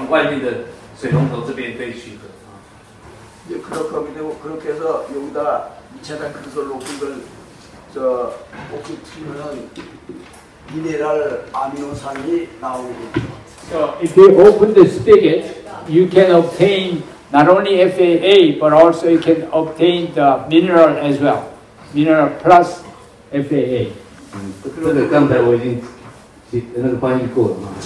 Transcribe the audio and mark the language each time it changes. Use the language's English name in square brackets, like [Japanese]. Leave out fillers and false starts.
[Chinese] 就是下面垫的这些矿石，如果种类更多，越是越好，就是说，当这些氨基酸它的杂质被这些矿石过滤的时候，同时也流出这些矿石的矿物质，所以等于说氨基酸加矿物质同时从外面的水龙头这边被取得。 [English] So if you open the spigot, you can obtain not only FAA, but also you can obtain the mineral as well. Mineral plus FAA. [Chinese] 这个刚才我已经那个翻译过了。